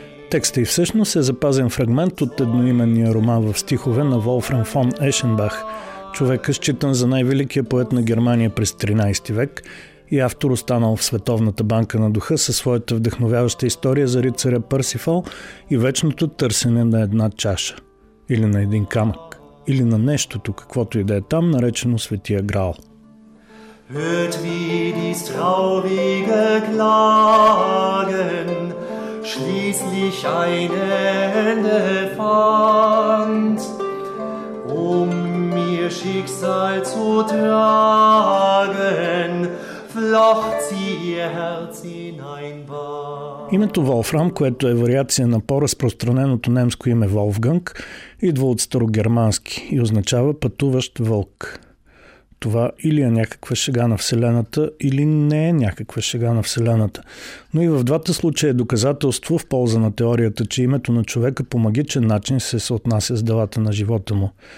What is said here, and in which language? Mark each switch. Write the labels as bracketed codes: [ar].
[bg] Текстът и всъщност е запазен фрагмент от едноимения роман в стихове на Волфрам фон Ешенбах, човека считан за най-великия поет на Германия през 13 век и автор останал в Световната банка на духа със своята вдъхновяваща история за рицаря Парсифал и вечното търсене на една чаша, или на един камък, или на нещото, каквото и да е там, наречено Светия Граал. [de] Hört wie dies traurige Klagen schließlich ein Ende fand, um mir Schicksal zu tragen, flocht sie ihr Herz in ein Band. [bg] Името Волфрам, което е вариация на по-разпространеното немско име Волфганг, идва от старогермански и означава пътуващ вълк. Това или е някаква шега на Вселената, или не е някаква шега на Вселената. Но и в двата случая е доказателство в полза на теорията, че името на човека по магичен начин се съотнася с делата на живота му.